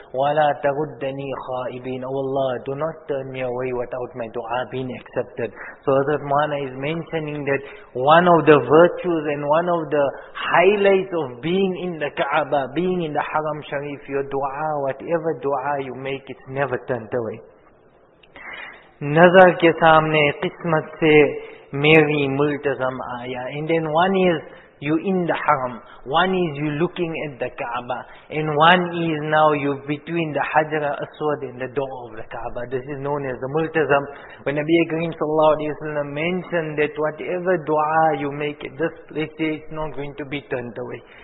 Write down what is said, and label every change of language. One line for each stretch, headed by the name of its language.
Arabic: وَلَا تَغُدَّنِي خَائِبِينَ.
English: Oh Allah, do not turn me away without my dua being accepted. So Hazrat Mawlana is mentioning that one of the virtues and one of the highlights of being in the Kaaba, being in the Haram Sharif, your dua, whatever dua you make, it's never turned away.
Urdu: نظر کے سامنے قسمت سے میری ملتظم آیا.
English: And then one is you in the haram, one is you looking at the Kaaba, and one is now you between the Hajar al-Aswad and the door of the Kaaba. This is known as the multazam. When Nabi Karim sallallahu alayhi wa sallam mentioned that whatever dua you make at this place, it's not going to be turned away.